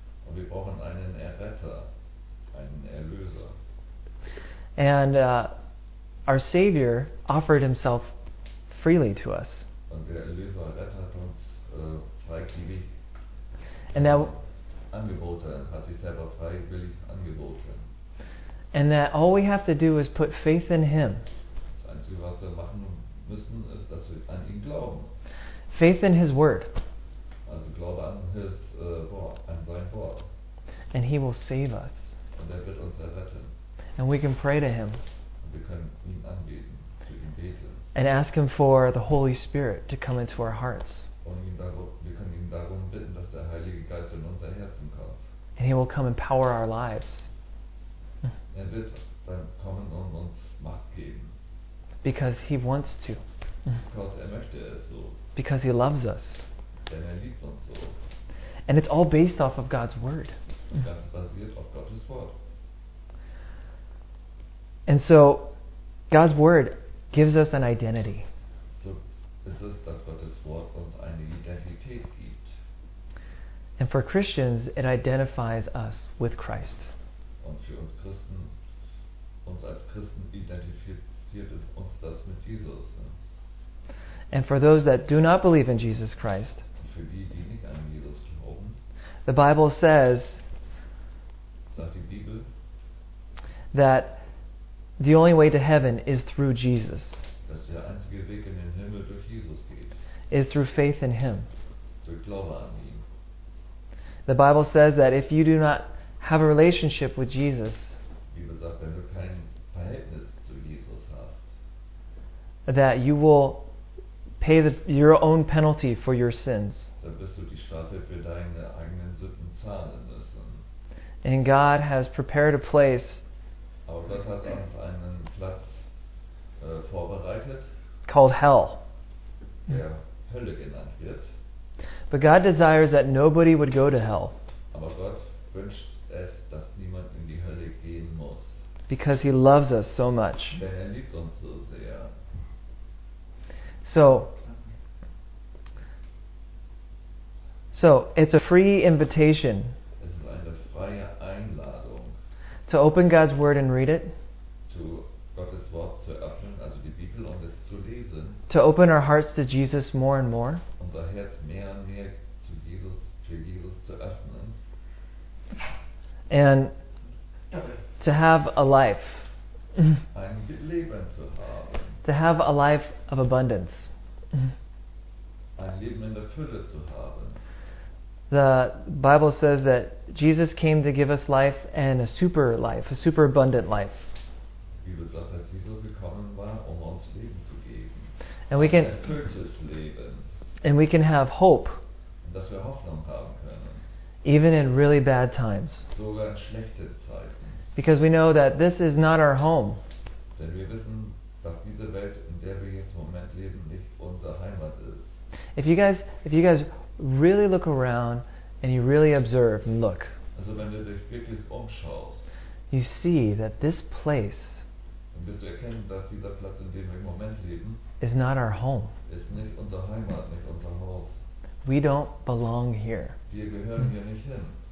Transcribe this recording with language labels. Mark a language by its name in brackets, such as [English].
[German] Und wir brauchen einen Erretter, einen Erlöser. [English] And our Savior offered Himself freely to us. [German] Und der Erlöser Retter hat uns freiwillig. [English] And that [German] Angebote, hat sich selber freiwillig angeboten. [English] And that all we have to do is put faith in Him. [German] Einzige, was wir machen müssen, ist, dass wir an ihn glauben. [English] Faith in his word. [German] Also Glaube an [English] his [German] Wort, an sein Wort. [English] And he will save us. [German] Und er wird uns erretten. [English] And we can pray to him. [German] Und wir können ihn anbeten, zu ihm beten. [English] And ask him for the Holy Spirit to come into our hearts. [German] Und ihn darum, wir können ihn darum bitten, dass der Heilige Geist in unser Herzen kommt. [English] And he will come and power our lives. [German] Er wird dann kommen und uns Macht geben. [English] Because he wants to. Because [German] er möchte es so. [English] Because he loves us. [German] Denn er liebt uns so. [English] And it's all based off of God's word. [German] Ganz basiert auf Gottes Wort. [English] And so, God's word gives us an identity. [German] So, es ist, dass Gottes Wort uns eine Identität gibt. [English] And for Christians, it identifies us with Christ. [German] Und für uns Christen, uns als Christen identifiziert uns das mit Jesus. [English] And for those that do not believe in Jesus Christ, [German] für die, die nicht an Jesus glauben, [English] the Bible says, [German] sagt die Bibel, [English] that the only way to heaven is through Jesus. [German] Dass der einzige Weg in den Himmel durch Jesus geht. [English] Is through faith in him. [German] Durch Glaube an ihn. [English] The Bible says that if you do not have a relationship with Jesus, [German] die Bibel sagt, wenn du kein Verhältnis zu Jesus hast, [English] that you will pay your own penalty for your sins. [German] Dann wirst du die Strafe für deine eigenen Sünden zahlen müssen. [English] And God has prepared a place. [German] Aber Gott hat uns einen Platz vorbereitet. [English] Called hell. [German] Der Hölle genannt wird. [English] But God desires that nobody would go to hell. [German] Aber Gott wünscht es, dass niemand in die Hölle gehen muss. [English] Because he loves us so much. [German] Denn er liebt uns so sehr. [English] So it's a free invitation. [German] Es ist eine freie Einladung. [English] To open God's word and read it. To [German] Gottes Wort zu öffnen, also die Bibel, und es zu lesen. [English] To open our hearts to Jesus more and more. [German] Unser Herz mehr und mehr zu Jesus, für Jesus zu öffnen. [English] And to have a life. [German] Ein Leben zu haben. [English] To have a life of abundance. [German] Ein Leben in der Fülle zu haben. [English] The Bible says that Jesus came to give us life and a super life, a super abundant life. [German] Die Bibel sagt, dass Jesus gekommen war, um uns Leben zu geben. [English] And we can, [German] ein erfülltes Leben. [English] And we can have hope. [German] Dass wir Hoffnung haben können. [English] Even in really bad times. [German] Sogar in schlechte Zeiten. [English] Because we know that this is not our home. [German] Denn wir wissen, dass diese Welt, in der wir jetzt im Moment leben, nicht unsere Heimat ist. [English] If you guys really look around and you really observe and look, [German] also wenn du dich wirklich umschaust, [English] you see that this place, [German] dann wirst du erkennen, dass dieser Platz, in dem wir im Moment leben, [English] is not our home. [German] Ist nicht unsere Heimat, nicht unser Haus. [English] We don't belong here. [German] Wir gehören hier nicht hin.